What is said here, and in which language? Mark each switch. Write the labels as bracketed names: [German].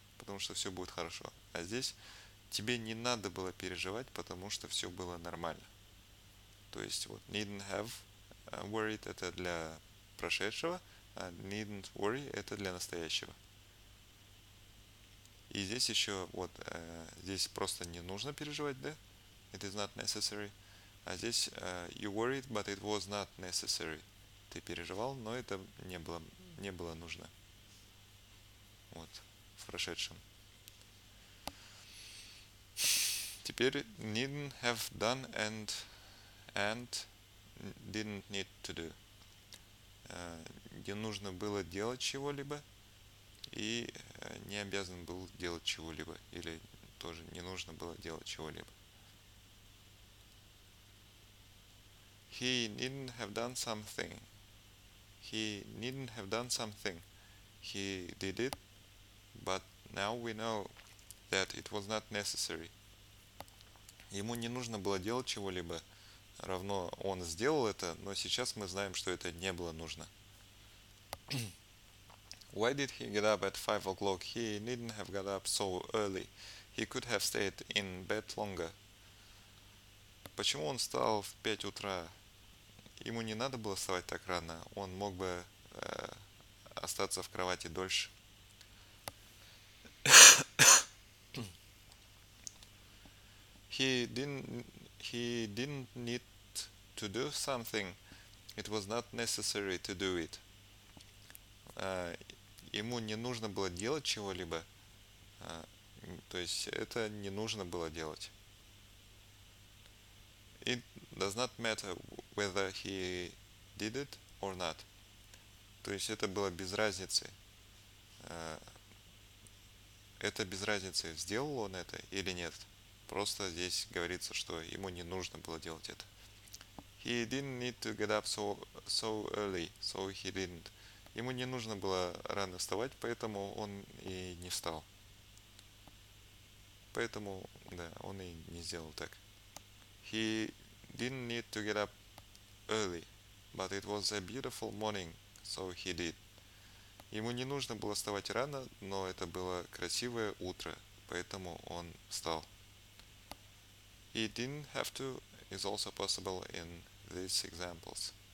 [Russian] Потому что все будет хорошо. А здесь тебе не надо было переживать, потому что все было нормально. То есть вот [English] needn't have worried [Russian] это для прошедшего, а [English] needn't worry [Russian] это для настоящего. И здесь еще, вот, здесь просто не нужно переживать, да? [English] It is not necessary. [Russian] А здесь, [English] you worried, but it was not necessary. [Russian] Ты переживал, но это не было нужно. Вот, в прошедшем. Теперь, [English] needn't have done and didn't need to do. [Russian] Не нужно было делать чего-либо. И не обязан был делать чего-либо, или тоже не нужно было делать чего-либо. [English] He needn't have done something. He needn't have done something. He did it, but now we know that it was not necessary. [Russian] Ему не нужно было делать чего-либо, равно он сделал это, но сейчас мы знаем, что это не было нужно. [English] Why did he get up at 5 o'clock? He needn't have got up so early. He could have stayed in bed longer. [Russian] Почему он встал в 5 утра? Ему не надо было вставать так рано. Он мог бы остаться в кровати дольше. [English] He didn't need to do something. It was not necessary to do it. [Russian] Ему не нужно было делать чего-либо, то есть это не нужно было делать. [English] It does not matter whether he did it or not. [Russian] То есть это было без разницы. Это без разницы, сделал он это или нет. Просто здесь говорится, что ему не нужно было делать это. [English] He didn't need to get up so early, so he didn't. [Russian] Ему не нужно было рано вставать, поэтому он и не встал. Поэтому, да, он и не сделал так. [English] He didn't need to get up early, but it was a beautiful morning, so he did. [Russian] Ему не нужно было вставать рано, но это было красивое утро, поэтому он встал. [English] He didn't have to is also possible in these examples.